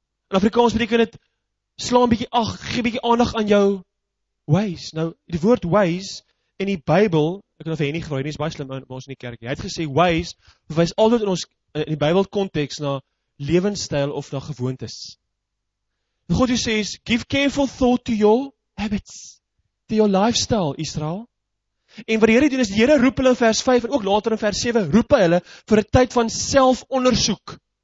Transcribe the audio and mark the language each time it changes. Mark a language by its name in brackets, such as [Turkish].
[Afrikaans] In Afrikaans beteken dit, sla een bietjie ag, gee bietjie aandag aan jou ways. Nou, die woord ways, in die Bybel, ek het nou vir Henny gevra, hy is baie slim in ons in die kerk, hy het gesê ways, verwys altyd in ons, in die Bybel context, na lewensstyl of na gewoontes. [English] God hier sê, give careful thought to your habits, to your lifestyle, Israel. [Afrikaans] En wat die Here doen is, die Here roep hulle in vers 5 en ook later in vers 7, roep hulle vir 'n tyd van selfondersoek.